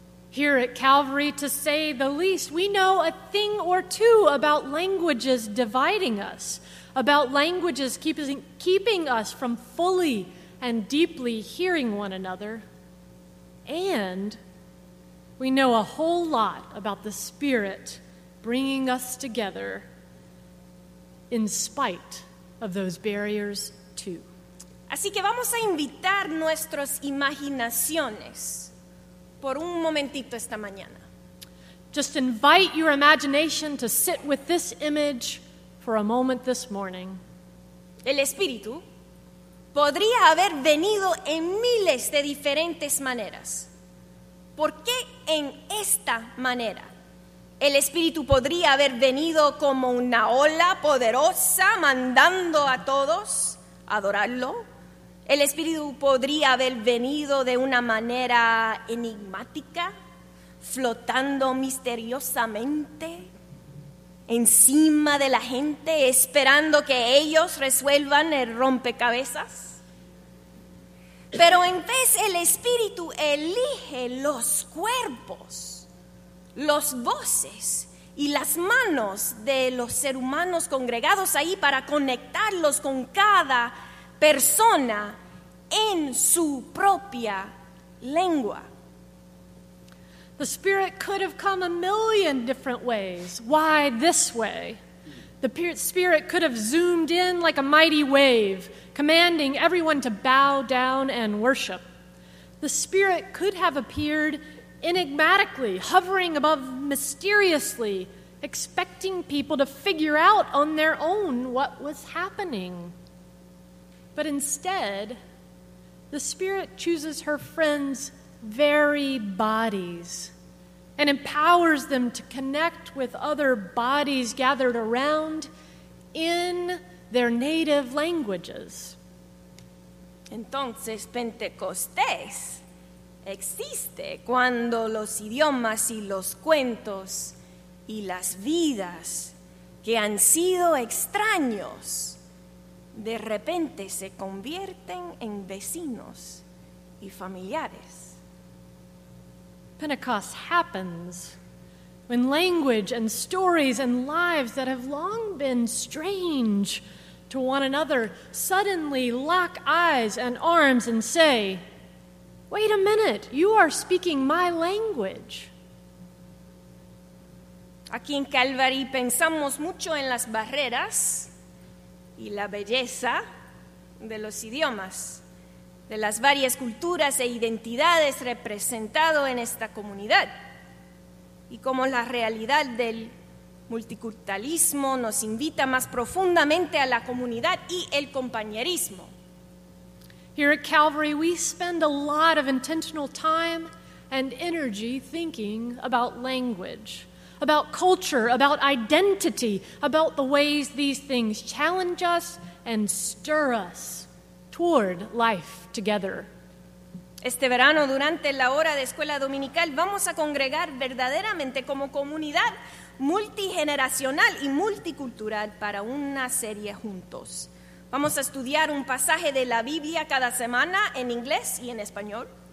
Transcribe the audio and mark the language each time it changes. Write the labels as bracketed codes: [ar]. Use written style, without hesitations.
[en] Here at Calvary, to say the least, we know a thing or two about languages dividing us, about languages keeping us from fully and deeply hearing one another, and we know a whole lot about the Spirit bringing us together in spite of those barriers, too. [es] Así que vamos a invitar nuestras imaginaciones por un momentito esta mañana. [en] Just invite your imagination to sit with this image for a moment this morning. [es] El espíritu podría haber venido en miles de diferentes maneras. ¿Por qué en esta manera? El espíritu podría haber venido como una ola poderosa mandando a todos a adorarlo. El espíritu podría haber venido de una manera enigmática, flotando misteriosamente encima de la gente, esperando que ellos resuelvan el rompecabezas. Pero en vez el espíritu elige los cuerpos, los voces y las manos de los seres humanos congregados ahí para conectarlos con cada persona en su propia lengua. [en] The Spirit could have come a million different ways. Why this way? The Spirit could have zoomed in like a mighty wave, commanding everyone to bow down and worship. The Spirit could have appeared enigmatically, hovering above mysteriously, expecting people to figure out on their own what was happening. But instead, the Spirit chooses her friends' very bodies and empowers them to connect with other bodies gathered around in their native languages. [es] Entonces, Pentecostés existe cuando los idiomas y los cuentos y las vidas que han sido extraños de repente se convierten en vecinos y familiares. [en] Pentecost happens when language and stories and lives that have long been strange to one another suddenly lock eyes and arms and say, "Wait a minute, you are speaking my language." [es] Aquí en Calvary pensamos mucho en las barreras y la belleza de los idiomas, de las varias culturas e identidades representado en esta comunidad, y cómo la realidad del multiculturalismo nos invita más profundamente a la comunidad y el compañerismo. [en] Here at Calvary, we spend a lot of intentional time and energy thinking about language, about culture, about identity, about the ways these things challenge us and stir us toward life together. [es] Este verano, durante la hora de escuela dominical, vamos a congregar verdaderamente como comunidad multigeneracional y multicultural para una serie juntos. Vamos a estudiar un pasaje de la Biblia cada semana en inglés y en español.